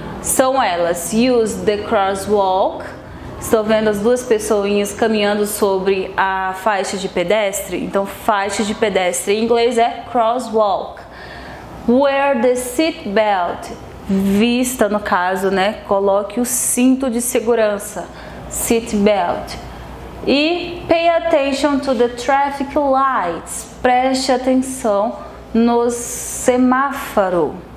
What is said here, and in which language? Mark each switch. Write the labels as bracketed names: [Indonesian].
[Portuguese] São elas, [English] use the crosswalk. [Portuguese] Estou vendo as duas pessoinhas caminhando sobre a faixa de pedestre. Então, faixa de pedestre em inglês é crosswalk. [English] Wear the seat belt. [Portuguese] Vista, no caso, né? Coloque o cinto de segurança. [English] Seat belt. E pay attention to the traffic lights. [Portuguese] Preste atenção no semáforo.